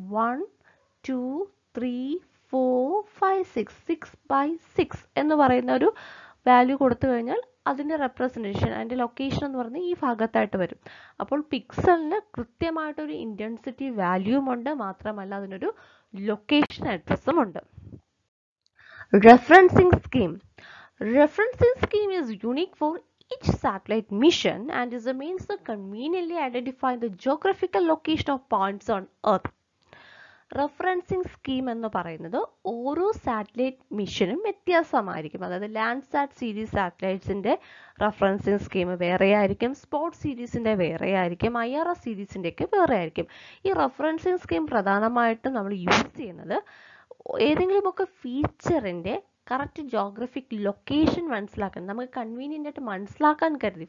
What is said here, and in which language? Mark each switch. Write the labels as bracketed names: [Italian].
[Malayalam] 1 2 3 4 5 6 6 by 6 എന്ന് പറയുന്ന ഒരു വാല്യൂ കൊടുത്തു കഴിഞ്ഞാൽ അതിൻ്റെ റെപ്രസെൻറ്റേഷൻ, അതിൻ്റെ ലൊക്കേഷൻ എന്ന് പറയുന്നത് ഈ ഭാഗത്തായിട്ട് വരും. അപ്പോൾ പിക്സലിന് കൃത്യമായിട്ടൊരു ഇൻറ്റൻസിറ്റി വാല്യൂമുണ്ട്, മാത്രമല്ല അതിനൊരു ലൊക്കേഷൻ അഡ്രസ്സും ഉണ്ട്. [English] Referencing scheme. Referencing scheme is unique for each satellite mission and is a means to conveniently identify the geographical location of points on Earth. [Malayalam] Referencing scheme എന്ന് പറയുന്നത് ഓരോ സാറ്റലൈറ്റ് മിഷനും വ്യത്യാസമായിരിക്കും. അതായത് ലാൻഡ് സാറ്റ് സീരീസ് സാറ്റലൈറ്റ്സിൻ്റെ റെഫറൻസിങ് സ്കീം വേറെ ആയിരിക്കും, spot സീരീസിൻ്റെ വേറെ ആയിരിക്കും, IRS സീരീസിൻ്റെയൊക്കെ വേറെ ആയിരിക്കും. ഈ റെഫറൻസിങ് സ്കീം പ്രധാനമായിട്ടും നമ്മൾ യൂസ് ചെയ്യുന്നത് ഏതെങ്കിലുമൊക്കെ ഫീച്ചറിൻ്റെ കറക്റ്റ് ജോഗ്രഫിക് ലൊക്കേഷൻ മനസ്സിലാക്കാൻ, നമുക്ക് കൺവീനിയൻ്റ് ആയിട്ട് മനസ്സിലാക്കാൻ കരുതി.